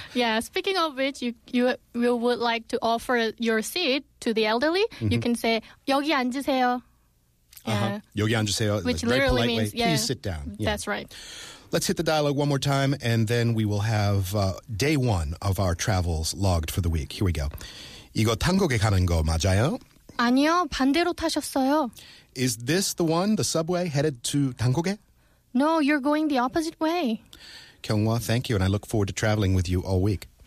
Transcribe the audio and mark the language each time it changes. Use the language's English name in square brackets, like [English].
[English] Yeah, speaking of which, you would like to offer your seat to the elderly, mm-hmm. you can say, [Korean] 여기 앉으세요. [English] Yeah. Uh-huh. [Korean] 여기 앉으세요. [English] Which literally means, way. Yeah. Please sit down. Yeah. That's right. Let's hit the dialogue one more time, and then we will have day one of our travels logged for the week. Here we go. [Korean] 이거 한국에 가는 거 맞아요? 아니요, 반대로 타셨어요. [English] Is this the one, the subway, headed to 한국에? No, you're going the opposite way. Kyung-hwa, thank you, and I look forward to traveling with you all week.